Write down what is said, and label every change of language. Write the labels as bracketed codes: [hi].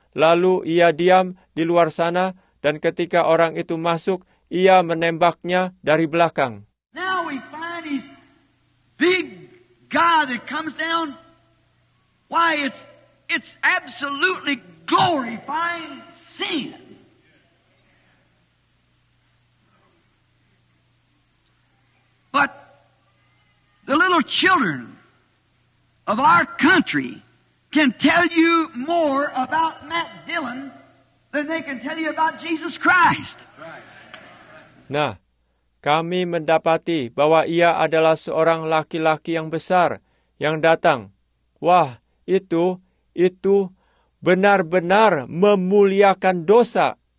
[id] Lalu ia diam di luar sana dan ketika orang itu masuk, ia menembaknya dari belakang. [en] Now we find this big guy that comes down. Why, it's absolutely glorifying sin. But the little children of our country can tell you more about Matt Dillon than they can tell you about Jesus Christ. [id] Nah, kami mendapati bahwa ia adalah seorang laki-laki yang besar yang datang. Wah, itu benar-benar memuliakan dosa.